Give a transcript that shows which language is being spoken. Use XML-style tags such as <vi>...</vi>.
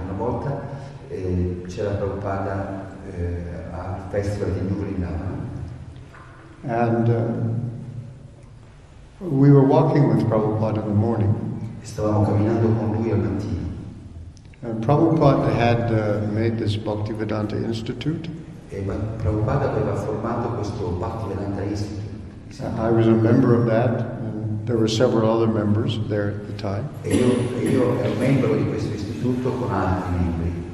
<it>Una volta c'era Prabhupada al festival di New Vrindavan.</it> <en>And we were walking with Prabhupada in the morning.</en> <it>Stavamo camminando con lui al mattino.</it> <en>And Prabhupada had made this Bhaktivedanta Institute.</en> <it>E Prabhupada aveva formato questo Bhaktivedanta Institute.</it> <en>I was a member of that, and there were several other members there at the time.</en> <it>E io ero membro di questo istituto con altri membri.</it>